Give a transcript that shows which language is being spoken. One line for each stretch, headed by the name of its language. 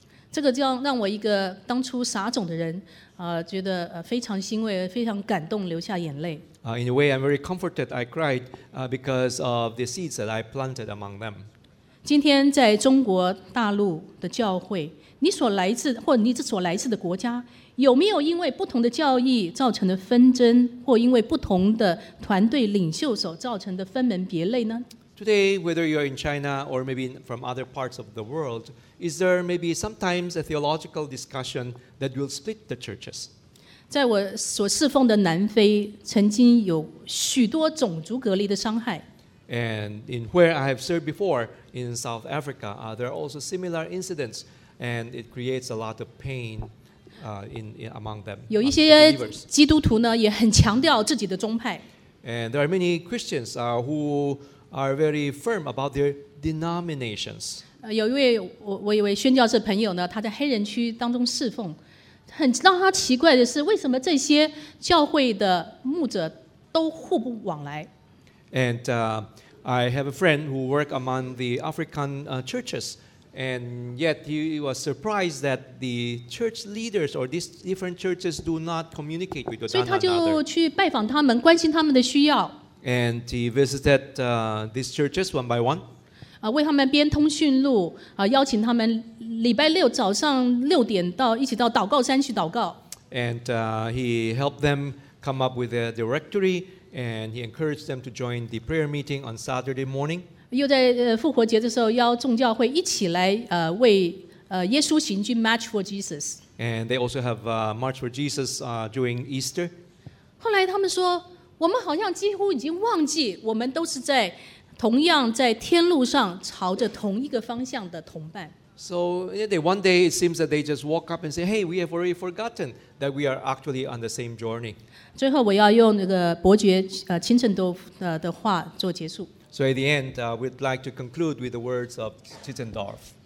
Chinese: 这个就让我一个当初傻种的人，觉得非常欣慰，非常感动，流下眼泪。
English: In a way, I'm very comforted. I cried because of the seeds that I planted among them.
Chinese: 今天在中国大陆的教会，你所来自或你所来自的国家。有没有因为不同的教义造成的纷争，或因为不同的团队领袖所造成的分门别类呢？
English: Today, whether you are in China or maybe from other parts of the world, is there maybe sometimes a theological discussion that will split the churches?
Chinese: 在我所侍奉的南非，曾经有许多种族隔离的伤害。
English: And in where I have served before in South Africa, there are also similar incidents, and it creates a lot of pain. Among them,
Chinese: 有一些基督徒呢，也很强调自己的宗派。
English: And there are many Christians who are very firm about their denominations.
Chinese: 有一位我一位宣教士朋友呢，他在黑人区当中侍奉，很让他奇怪的是，为什么这些教会的牧者都互不往来？
English: And I have a friend who worked among the African churches, and yet he was surprised that the church leaders or these different churches do not communicate with one another.
Chinese: 所以他就去拜访他们，关心他们的需要。
English: And he visited these churches one by one.
Chinese: 为他们编通讯录，邀请他们礼拜六早上六点到一起到祷告山去祷告。
English: And he helped them come up with a directory, and he encouraged them to join the prayer meeting on Saturday morning.
Chinese: 又在复活节的时候邀众教会一起来为耶稣行军 ，March for Jesus.
English: And they also have March for Jesus during Easter.
Chinese: 后来他们说。我们好像几乎已经忘记，我们都是在同样在天路上朝着同一个方向的同伴。
English: So one day it seems that they just walk up and say, "Hey, we have already forgotten that we are actually on the same journey."
Chinese: 最后我要用那个伯爵钦诚多的话做结束。
English: So at the end, we'd like to conclude with the words of Tittendorf.